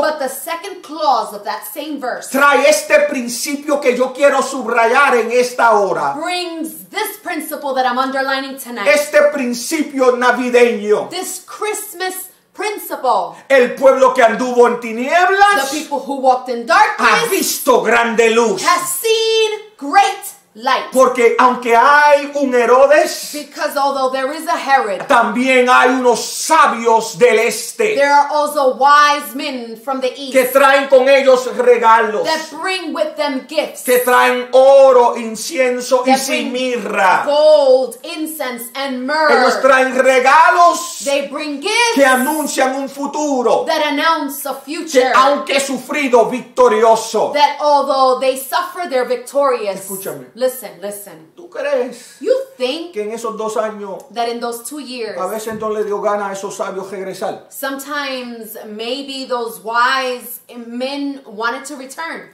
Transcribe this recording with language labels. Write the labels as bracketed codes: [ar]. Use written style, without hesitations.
[en] But the second clause of that same verse. [es] Trae este principio que yo quiero subrayar en esta hora. [en] Brings this principle that I'm underlining tonight. [es] Este principio navideño. [en] This Christmas principle. [es] El pueblo que anduvo en tinieblas. [en] The people who walked in darkness. [es] Ha visto grande luz. [en] Has seen great light. [es] Porque aunque hay un Herodes, [en] because although there is a Herod, [es] también hay unos sabios del este. [en] There are also wise men from the east [es] que traen con ellos regalos, [en] that bring with them gifts, [es] que traen oro, incienso y mirra, [en] gold, incense and myrrh. [es] Ellos traen regalos, [en] they bring gifts [es] que anuncian un futuro, [en] that announce a future, [es] que aunque sufrido, victorioso, [en] that although they suffer, they're victorious. [es] Escúchame. [en] Listen, listen. [es] ¿Tú crees? [en] You think [es] que en esos dos años, [en] that in those 2 years, [es] a veces no le dio gana a esos sabios regresar. [en] Sometimes maybe those wise men wanted to return.